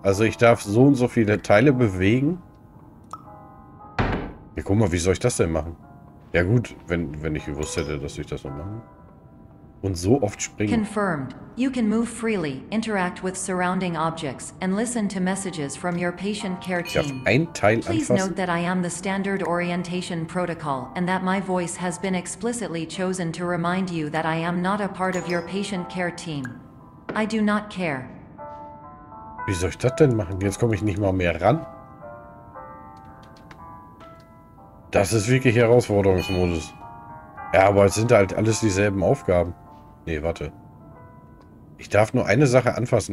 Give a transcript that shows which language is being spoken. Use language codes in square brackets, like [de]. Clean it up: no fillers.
[de] Also ich darf so und so viele Teile bewegen. Ja, guck mal, wie soll ich das denn machen? Ja gut, wenn ich gewusst hätte, dass ich das noch machen. Und so oft springen. [en] Confirmed. You can move freely, interact with surrounding objects and listen to messages from your patient care team. [de] Ich darf ein Teil anfassen. [en] Please note that I am the standard orientation protocol and that my voice has been explicitly chosen to remind you that I am not a part of your patient care team. I do not care. [de] Wie soll ich das denn machen? Jetzt komme ich nicht mal mehr ran. Das ist wirklich Herausforderungsmodus. Ja, aber es sind halt alles dieselben Aufgaben. Nee, warte. Ich darf nur eine Sache anfassen.